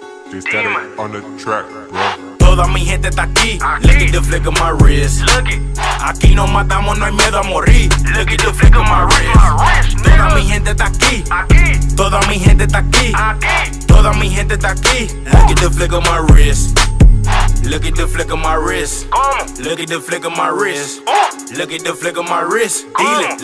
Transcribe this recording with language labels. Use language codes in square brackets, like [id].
[en] Just got it on the track, bro. [es] Toda mi gente está aquí. [en] Look at the flick of my wrist. [es] Aquí no matamos, no hay miedo a morir. [en] Look at the flick of my wrist. [es] Toda mi gente está aquí. Toda mi gente está aquí. Toda mi gente está aquí. [en] Look at the flick of my wrist. Look at the flick of my wrist. Look at the flick of my wrist. Look at the flick of my wrist. Dealing.